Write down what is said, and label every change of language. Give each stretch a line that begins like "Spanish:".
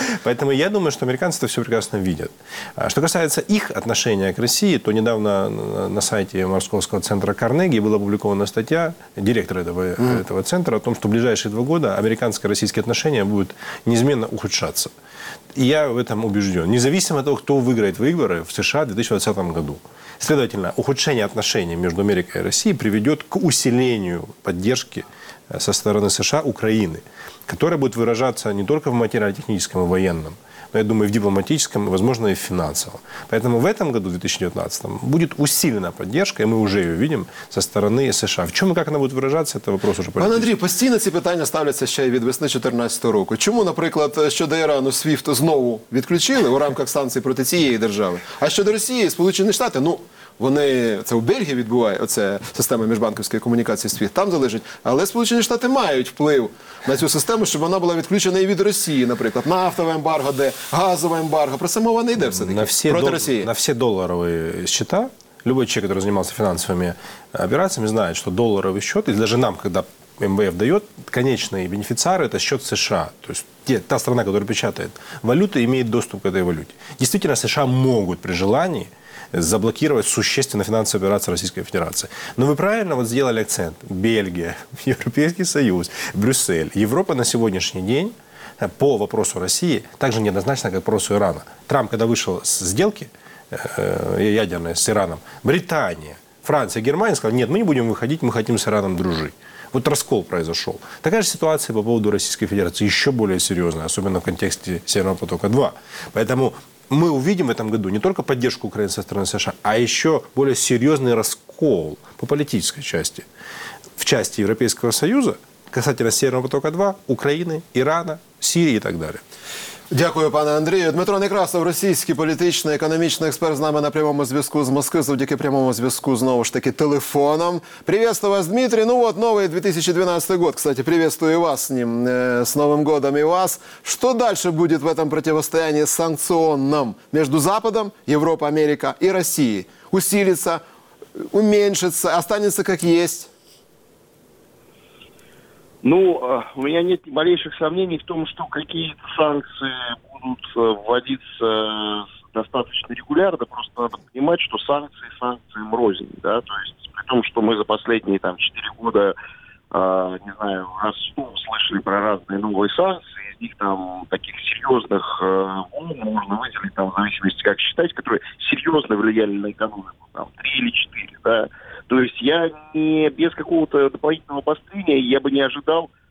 Russian: Поэтому я думаю,
Ukrainian: що американці це все прекрасно бачать. А що стосується їх відношення до Росії, то недавно на сайті Московського центру Карнегі була опублікована стаття директора цього центру о том, що ближайші 2 роки американсько-російські відносини будуть незмінно ухудшатися.
Russian: И я в этом убежден. Независимо от того, кто выиграет выборы в США в 2020 году. Следовательно, ухудшение отношений между Америкой и Россией приведет к усилению поддержки со стороны США Украины, которая будет выражаться не только в материально-техническом и военном, но, я думаю, в дипломатическом, возможно, и в финансовом. Поэтому в этом году, в 2019, будет усилена поддержка, и мы уже ее видим, со стороны США. В чем и как она будет выражаться, это вопрос уже политический.
Ukrainian: Пан Андрій, постійно ці питання ставляться ще й від весни 2014 року. Чому, наприклад, щодо Ірану СВІФТ знову відключили у рамках санкцій проти цієї держави? А щодо Росії, Сполучені Штати, ну, вони, це у Бельгії відбуває, оця система міжбанківської комунікації СВІФТ, там залежить. Але Сполучені Штати мають вплив на цю систему, щоб вона була відключена і від Росії, наприклад. Нафтове ембарго, де газове ембарго. Про це мова не йде все-таки. Росії.
Russian: На всі доларові счета, любой человек, который занимался финансовыми операциями, знает, что долларовый счет, и даже нам, когда МВФ дает, конечные бенефициары – это счет США. То есть та страна, которая печатает валюту, имеет доступ к этой валюте. Действительно, США могут при желании заблокировать существенно финансовые операции Российской Федерации. Но вы правильно вот сделали акцент. Бельгия, Европейский Союз, Брюссель. Европа на сегодняшний день по вопросу России также неоднозначна, как вопросу Ирана. Трамп, когда вышел с сделки ядерной с Ираном, Британия, Франция, Германия сказали, нет, мы не будем выходить, мы хотим с Ираном дружить. Вот раскол произошел. Такая же ситуация по поводу Российской Федерации еще более серьезная, особенно в контексте Северного потока 2. Поэтому мы увидим в этом году не только поддержку Украины со стороны США, а еще более серьезный раскол по политической части. В части Европейского Союза, касательно Северного потока 2, Украины, Ирана, Сирии и так далее.
Ukrainian: Дякую, пане Андрію. Дмитро Некрасов, російський політичний, економічний експерт, з нами на прямому зв'язку з Москви, завдяки прямому зв'язку, знову ж таки, телефоном. Привітаю вас, Дмитрі. Ну, от новий 2012 год, кстати, привітаю вас з ним, з Новим годом і вас. Що далі буде в цьому противостоянні санкціонному між Западом, Європою, Америкою і Росією? Усіліться, уменьшиться, останеться, як є?
Russian: Ну, у меня нет малейших сомнений в том, что какие-то санкции будут вводиться достаточно регулярно. Просто надо понимать, что санкции санкциям рознь, да. То есть при том, что мы за последние там 4 года, не знаю, раз 100 слышали про разные новые санкции, из них там таких серьезных можно выделить там в зависимости, как считать, которые серьезно влияли на экономику, там 3 или 4, да. То есть я не без какого-то дополнительного обострения я бы не ожидал